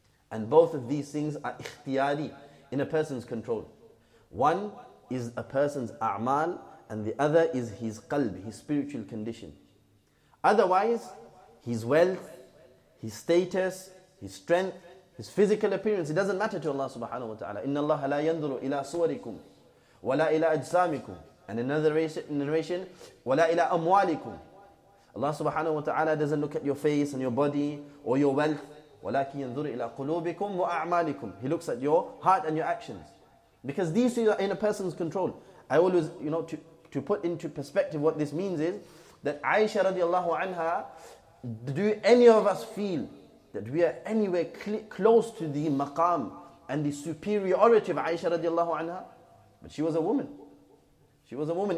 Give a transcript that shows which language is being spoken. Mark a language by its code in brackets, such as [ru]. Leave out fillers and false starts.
[en] And both of these things are ikhtiyari, in a person's control. One is a person's a'mal and the other is his qalb, his spiritual condition. Otherwise, his wealth, his status, his strength, his physical appearance, it doesn't matter to Allah subhanahu wa ta'ala. [ar] إِنَّ اللَّهَ لَا يَنْظُرُ إِلَىٰ صُوَرِكُمْ وَلَا إِلَىٰ أَجْسَامِكُمْ. [en] And another narration, [ar] وَلَا إِلَىٰ أَمْوَالِكُمْ. [en] Allah subhanahu wa ta'ala doesn't look at your face and your body or your wealth. [ar] وَلَكِنْ يَنْظُرِ إِلَىٰ قُلُوبِكُمْ وَأَعْمَالِكُمْ. [en] He looks at your heart and your actions. Because these two are in a person's control. I always, you know, to put into perspective what this means is that Aisha radiallahu anha, do any of us feel that we are anywhere close to the maqam and the superiority of Aisha radiallahu anha? But she was a woman. She was a woman.